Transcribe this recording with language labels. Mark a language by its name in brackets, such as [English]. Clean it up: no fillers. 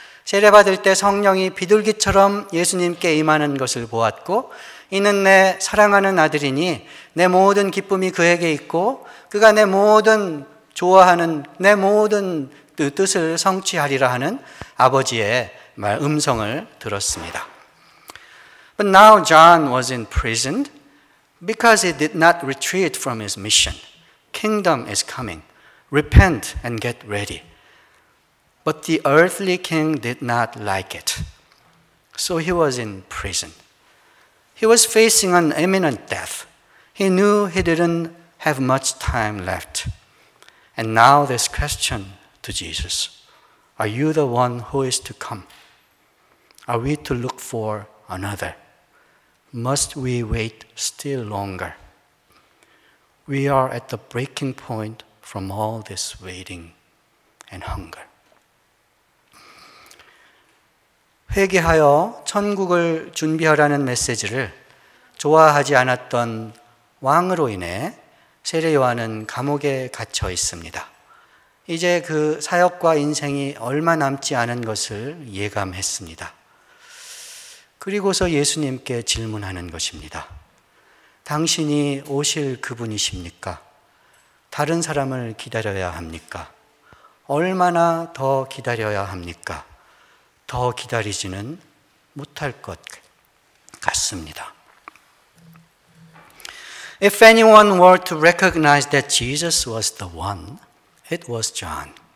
[Korean] 세례받을 때 성령이 비둘기처럼 예수님께 임하는 것을 보았고 이는 내 사랑하는 아들이니 내 모든 기쁨이 그에게 있고 그가 내 모든 좋아하는 내 모든 뜻을 성취하리라 하는 아버지의 음성을 들었습니다. [English] But now John was imprisoned because he did not retreat from his mission. Kingdom is coming. Repent and get ready. But the earthly king did not like it. So he was in prison. He was facing an imminent death. He knew he didn't have much time left. And now this question to Jesus. Are you the one who is to come? Are we to look for another? Must we wait still longer? We are at the breaking point from all this waiting and hunger. [Korean] 회개하여 천국을 준비하라는 메시지를 좋아하지 않았던 왕으로 인해 세례 요한은 감옥에 갇혀 있습니다. 이제 그 사역과 인생이 얼마 남지 않은 것을 예감했습니다. 그리고서 예수님께 질문하는 것입니다. 당신이 오실 그분이십니까? 다른 사람을 기다려야 합니까? 얼마나 더 기다려야 합니까? 더 기다리지는 못할 것 같습니다. [English] If anyone were to recognize that Jesus was the one, it was John.